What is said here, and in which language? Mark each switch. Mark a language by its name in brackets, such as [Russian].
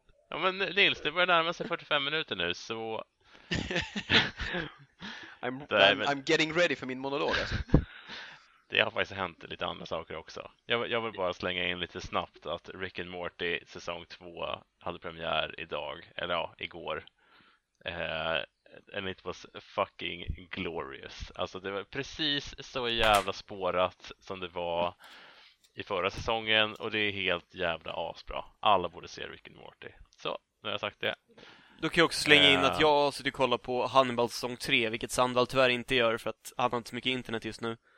[Swedish] Ja, men Nils, det börjar närma sig 45 minuter nu. Så [English] I'm getting ready [Swedish] för min monolog alltså. Det har faktiskt hänt lite andra saker också. Jag vill bara slänga in lite snabbt att Rick and Morty säsong 2 hade premiär idag. Eller ja, igår. [English] And it was fucking glorious. [Swedish] Alltså det var precis så jävla spårat som det var i förra säsongen. Och det är helt jävla asbra. Alla borde se Rick and Morty. Så, nu har jag sagt det. Då kan jag också slänga in att jag har suttit och kollat på Hannibal säsong 3, vilket Sandal tyvärr inte gör för att han har inte så mycket internet just nu.